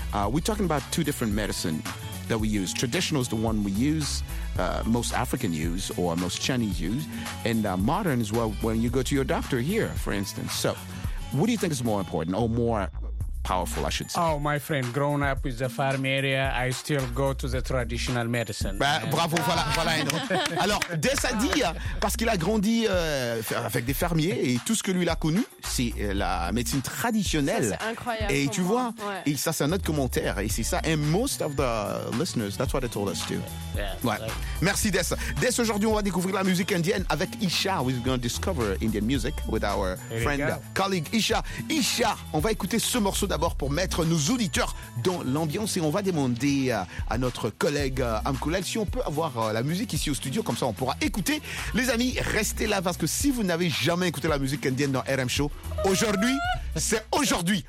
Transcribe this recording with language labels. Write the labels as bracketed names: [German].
[English] We're talking about two different medicine that we use. Traditional is the one we use, most African use or most Chinese use. And modern is well, when you go to your doctor here, for instance. So what do you think is more important or more powerful, I should say. Oh, my friend, growing up with the farm area, I still go to the traditional medicine. [French] Bah, bravo, voilà. Alors, Dess a dit, parce qu'il a grandi avec des fermiers, et tout ce que lui a connu, c'est la médecine traditionnelle. Ça, c'est incroyable. Et tu vois, ouais. Et ça, c'est un autre commentaire, et c'est ça. [English] And most of the listeners, that's what they told us too. Yeah, [French] ouais. [English] Like... [French] Merci, Dess. Dess, aujourd'hui, on va découvrir la musique indienne avec Isha. [English] We're going to discover Indian music with our friend, colleague Isha. [French] Isha, on va écouter ce morceau d'abord pour mettre nos auditeurs dans l'ambiance et on va demander à notre collègue Amkoulel si on peut avoir la musique ici au studio, comme ça on pourra écouter. Les amis, restez là parce que si vous n'avez jamais écouté la musique indienne dans RM Show, aujourd'hui, c'est aujourd'hui.